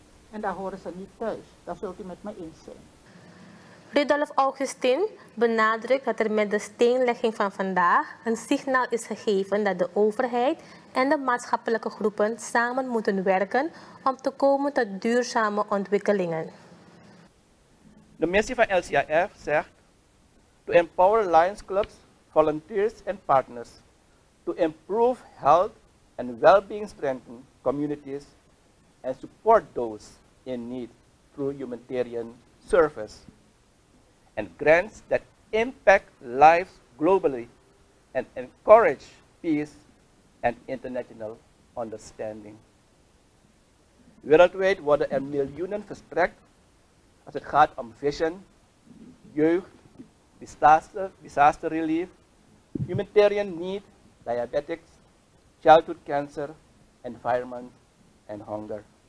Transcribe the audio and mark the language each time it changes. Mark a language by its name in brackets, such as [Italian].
[Dutch] En daar horen ze niet thuis, dat zult u met me eens zijn. Rudolf Augustin benadrukt dat er met de steenlegging van vandaag een signaal is gegeven dat de overheid en de maatschappelijke groepen samen moeten werken om te komen tot duurzame ontwikkelingen. De missie van LCIF zegt: [English] to empower Lions Clubs, volunteers and partners to improve health and well-being, strengthen communities and support those in need through humanitarian service. And grants that impact lives globally and encourage peace and international understanding. [Dutch] Wereldwijd worden er miljoenen verstrekt als het gaat om vision, jeugd, [English] disaster relief, humanitarian need, diabetics, childhood cancer, environment [Dutch] en hunger.